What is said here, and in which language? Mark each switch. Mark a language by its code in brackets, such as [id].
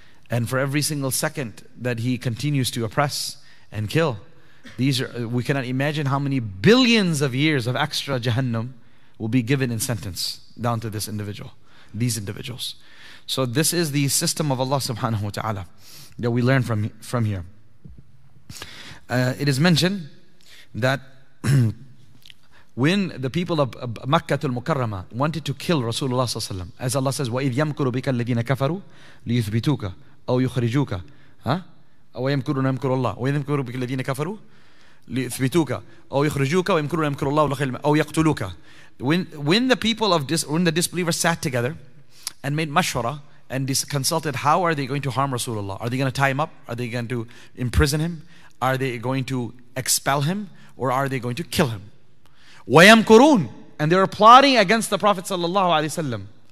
[en] And for every single second that he continues to oppress and kill, we cannot imagine how many billions of years of extra Jahannam will be given in sentence down to this individual, these individuals. So this is the system of Allah subhanahu wa ta'ala that we learn from here. It is mentioned that when the people of Makkah al-Mukarramah wanted to kill Rasulullah sallallahu alaihi wasallam, as Allah says, [ar] وَإِذْ يَمْكُرُ بِكَ الَّذِينَ كَفَرُوا لِيُثْبِتُوكَ أَوْ يُخْرِجُوكَ وَيَمْكُرُونَ يَمْكُرُ اللَّهُ وَإِذْ يَمْكُرُ بِكَ الَّذِينَ كَفَرُوا لِيُثْبِتُوكَ أَوْ يُخْرِجُوكَ وَيَمْكُرُونَ يَمْكُرُ اللَّهُ أَوْ يَقْتُلُوكَ. [en] When the people of this, when the disbelievers sat together and made mashwara and consulted, how are they going to harm Rasulullah? Are they going to tie him up? Are they going to imprison him? Are they going to expel him? Or are they going to kill him? [ar] وَيَمْكُرُونَ, [en] and they were plotting against the Prophet sallallahu alaihi wasallam.